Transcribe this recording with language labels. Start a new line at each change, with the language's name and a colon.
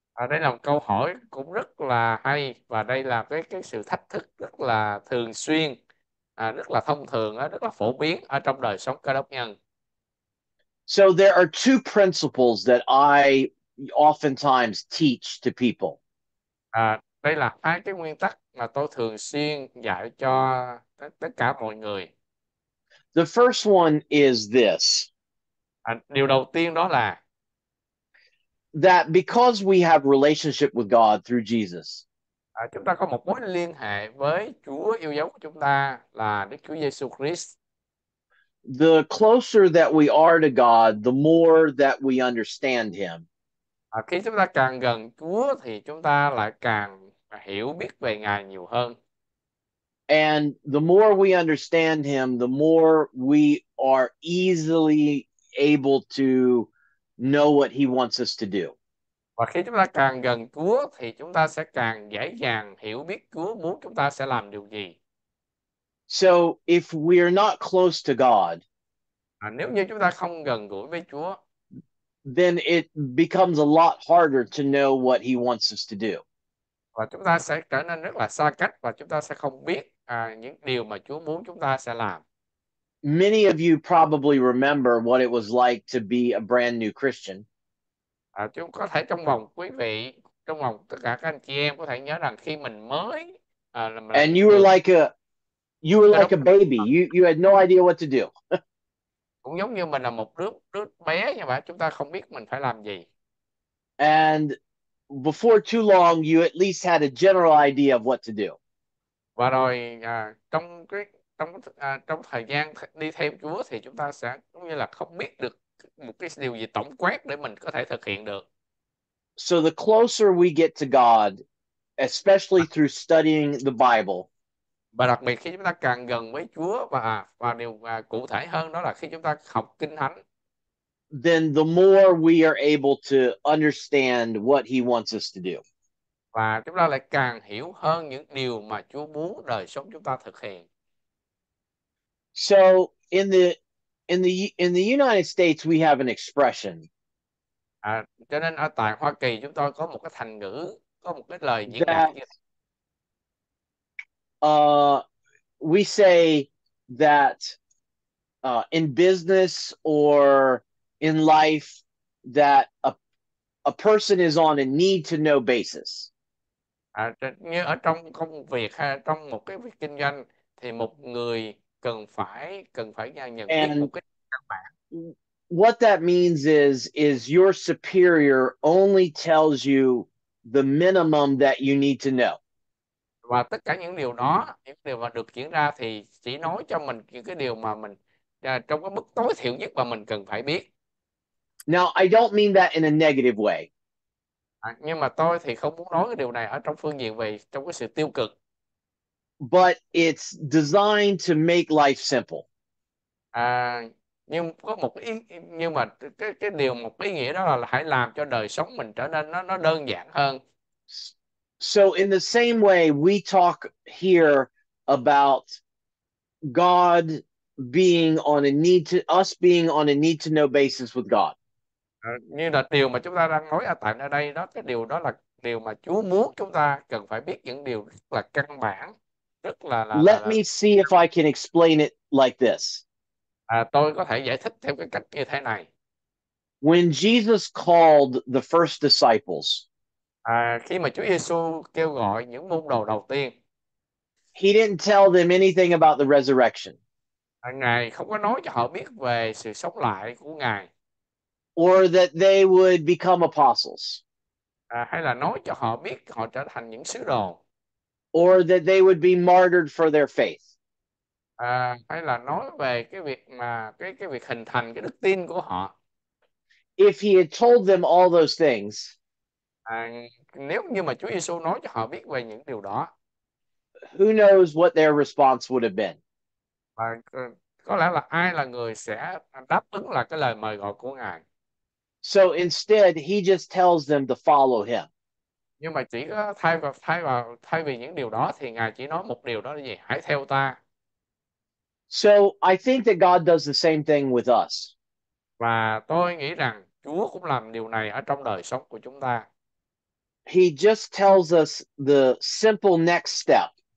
Vietnamese: Đây là một câu hỏi cũng rất là hay, và đây là cái sự thách thức rất là thường xuyên. Rất là thông thường, rất là phổ biến ở trong đời sống cơ đốc nhân.
English: So there are two principles that I oftentimes teach to people.
Vietnamese: Đây là hai cái nguyên tắc mà tôi thường xuyên dạy cho tất cả mọi người.
English: The first one is this.
Vietnamese: Điều đầu tiên đó là
English: That because we have relationship with God through Jesus.
Vietnamese: chúng ta có một mối liên hệ với Chúa yêu dấu của chúng ta là Đức Chúa Giêsu Christ.
English: The closer that we are to God, the more that we understand him.
Vietnamese: Khi chúng ta càng gần Chúa thì chúng ta lại càng hiểu biết về Ngài nhiều hơn.
English: And the more we understand him, the more we are easily able to know what he wants us to do.
Vietnamese: Và khi chúng ta càng gần Chúa thì chúng ta sẽ càng dễ dàng hiểu biết Chúa muốn chúng ta sẽ làm điều gì.
English: So if we are not close to God,
Vietnamese: Nếu như chúng ta không gần gũi với Chúa,
English: then it becomes a lot harder to know what he wants us to do.
Vietnamese: và chúng ta sẽ trở nên rất là xa cách và chúng ta sẽ không biết những điều mà Chúa muốn chúng ta sẽ làm.
English: Many of you probably remember what it was like to be a brand new Christian.
Vietnamese: Chúng có thể trong vòng quý vị, trong vòng tất cả các anh chị em có thể nhớ rằng khi mình mới là
English: And
Vietnamese: những người
English: you were
Vietnamese: cơ
English: like a baby.
Vietnamese: đốc,
English: You had no idea what to do.
Vietnamese: cũng giống như mình là một đứa đứa bé như vậy, chúng ta không biết mình phải làm gì.
English: And before too long, you at least had a general idea of what to do.
Vietnamese: Và rồi trong cái trong trong thời gian đi theo Chúa thì chúng ta sẽ cũng như là không biết được một cái điều gì tổng quát để mình có thể thực hiện được.
English: So the closer we get to God, especially through studying the Bible.
Vietnamese: Và đặc biệt khi chúng ta càng gần với Chúa và điều cụ thể hơn đó là khi chúng ta học Kinh Thánh.
English: Then the more we are able to understand what he wants us to do.
Vietnamese: Và chúng ta lại càng hiểu hơn những điều mà Chúa muốn đời sống chúng ta thực hiện.
English: So in the United States we have an expression
Vietnamese: Cho nên ở tại Hoa Kỳ chúng tôi có một cái thành ngữ, có một cái lời diễn đạt
English: that
Vietnamese: như
English: we say that in business or in life that a person is on a need to know basis.
Vietnamese: Như ở trong công việc hay trong một cái việc kinh doanh thì một người cần phải nhận biết một
English: And
Vietnamese: cái căn bản.
English: what that means is your superior only tells you the minimum that you need to know.
Vietnamese: Và tất cả những điều đó, những điều mà được diễn ra thì chỉ nói cho mình những cái điều mà mình trong cái mức tối thiểu nhất mà mình cần phải biết.
English: Now, I don't mean that in a negative way.
Vietnamese: Nhưng mà tôi thì không muốn nói cái điều này ở trong phương diện về trong cái sự tiêu cực.
English: But it's designed to make life simple.
Vietnamese: Nhưng có một ý nhưng mà cái điều một ý nghĩa đó là hãy làm cho đời sống mình trở nên nó đơn giản hơn.
English: So in the same way we talk here about God being on a need to us being on a need to know basis with God.
Vietnamese: Như là điều mà chúng ta đang nói ở tại nơi đây đó, cái điều đó là điều mà Chúa muốn chúng ta cần phải biết những điều rất là căn bản, rất là
English: Let me see if I can explain it like this.
Vietnamese: tôi có thể giải thích theo cái cách như thế này.
English: When Jesus called the first disciples,
Vietnamese: Khi mà Chúa Giêsu kêu gọi những môn đồ đầu tiên,
English: he didn't tell them anything about the resurrection.
Vietnamese: Ngài không có nói cho họ biết về sự sống lại của Ngài.
English: Or that they would become apostles.
Vietnamese: Hay là nói cho họ biết họ trở thành những sứ đồ.
English: Or that they would be martyred for their faith.
Vietnamese: Hay là nói về cái việc mà cái việc hình thành cái đức tin của họ.
English: If he had told them all those things,
Vietnamese: Nếu như mà Chúa Giêsu nói cho họ biết về những điều đó.
English: who knows what their response would have been?
Vietnamese: Có lẽ là ai là người sẽ đáp ứng là cái lời mời gọi của Ngài.
English: So instead, he just tells them to follow him.
Vietnamese: Nhưng mà chỉ có thay vì những điều đó thì Ngài chỉ nói một điều đó là gì? Hãy theo ta.
English: So I think that God does the same thing with us.
Vietnamese: Và tôi nghĩ rằng Chúa cũng làm điều này ở trong đời sống của chúng ta.
English: He just tells us the simple next step.